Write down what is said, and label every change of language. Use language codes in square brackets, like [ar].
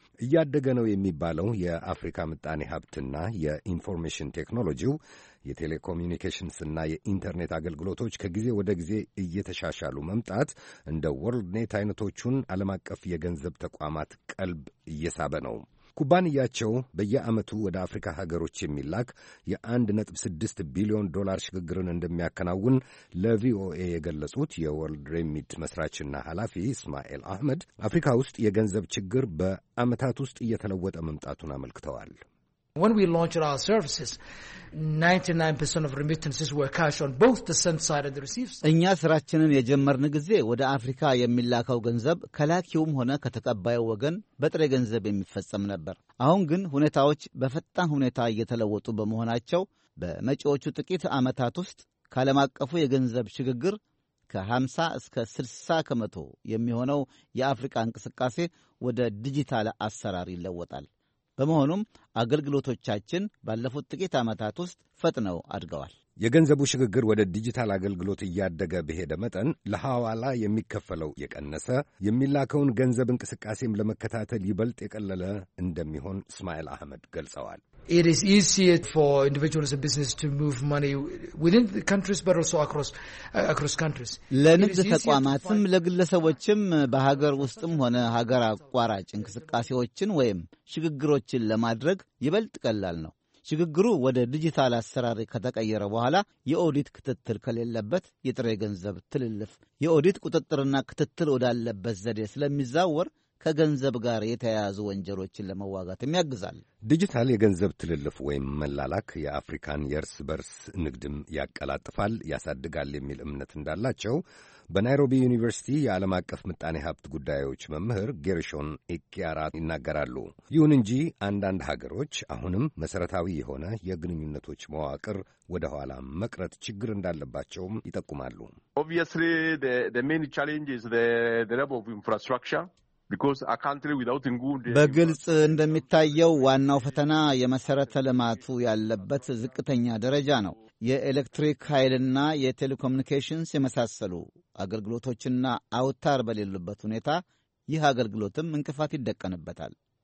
[am] እያደገ ነው የሚባለው የአፍሪካ ምጣኔ ሀብትና የኢንፎርሜሽን ቴክኖሎጂው የቴሌኮሙኒኬሽንስና የኢንተርኔት አገልግሎቶች ከጊዜ ወደ ጊዜ እየተሻሻሉ መምጣት እንደ ወርልድ ኔት አይነቶቹን ዓለም አቀፍ የገንዘብ ተቋማት ቀልብ እየሳበ ነው። ኩባንያቸው በየዓመቱ ወደ አፍሪካ ሀገሮች የሚላክ የ1.6 ቢሊዮን ዶላር ሽግግርን እንደሚያከናውን ለቪኦኤ የገለጹት የወርልድ ሬሚት መስራችና ኃላፊ እስማኤል አህመድ አፍሪካ ውስጥ የገንዘብ ችግር በዓመታት ውስጥ እየተለወጠ መምጣቱን አመልክተዋል። [en] When we launched our services, 99% of remittances were cash on both the send side and the receive side. [am] እኛ ስራችንን የጀመርን ጊዜ ወደ አፍሪካ የሚላከው ገንዘብ ከላኪውም ሆነ ከተቀባዩ ወገን በጥሬ ገንዘብ የሚፈጸም ነበር። አሁን ግን ሁኔታዎች በፈጣን ሁኔታ እየተለወጡ በመሆናቸው በመጪዎቹ ጥቂት ዓመታት ውስጥ ከዓለም አቀፉ የገንዘብ ሽግግር ከ50 እስከ 60 ከመቶ የሚሆነው የአፍሪካ እንቅስቃሴ ወደ ዲጂታል አሰራር ይለወጣል። በመሆኑም አገልግሎቶቻችን ባለፉት ጥቂት ዓመታት ውስጥ ፈጥነው አድገዋል። የገንዘቡ ሽግግር ወደ ዲጂታል አገልግሎት እያደገ በሄደ መጠን ለሐዋላ የሚከፈለው የቀነሰ የሚላከውን ገንዘብ እንቅስቃሴም ለመከታተል ይበልጥ የቀለለ እንደሚሆን እስማኤል አህመድ ገልጸዋል። [en] It is easier for individuals and businesses to move money within the countries but also across countries. [am] ለንግድ ተቋማትም ለግለሰቦችም በሀገር ውስጥም ሆነ ሀገር አቋራጭ እንቅስቃሴዎችን ወይም ሽግግሮችን ለማድረግ ይበልጥ ቀላል ነው። ሽግግሩ ወደ ዲጂታል አሰራር ከተቀየረ በኋላ የኦዲት ክትትል ከሌለበት የጥሬ ገንዘብ ትልልፍ የኦዲት ቁጥጥርና ክትትል ወዳለበት ዘዴ ስለሚዛወር ከገንዘብ ጋር የተያያዙ ወንጀሎችን ለመዋጋትም ያግዛል። ዲጂታል የገንዘብ ትልልፍ ወይም መላላክ የአፍሪካን የርስ በርስ ንግድም ያቀላጥፋል ያሳድጋል የሚል እምነት እንዳላቸው በናይሮቢ ዩኒቨርሲቲ የዓለም አቀፍ ምጣኔ ሀብት ጉዳዮች መምህር ጌርሾን ኤኪያራ ይናገራሉ። ይሁን እንጂ አንዳንድ ሀገሮች አሁንም መሠረታዊ የሆነ የግንኙነቶች መዋቅር ወደ ኋላ መቅረት ችግር እንዳለባቸውም ይጠቁማሉ። [en] Obviously, the main challenge is the level of infrastructure. Because a country without good [am] በግልጽ እንደሚታየው ዋናው ፈተና የመሰረተ ልማቱ ያለበት ዝቅተኛ ደረጃ ነው። የኤሌክትሪክ ኃይልና የቴሌኮሙኒኬሽንስ የመሳሰሉ አገልግሎቶችና አውታር በሌሉበት ሁኔታ ይህ አገልግሎትም እንቅፋት ይደቀንበታል።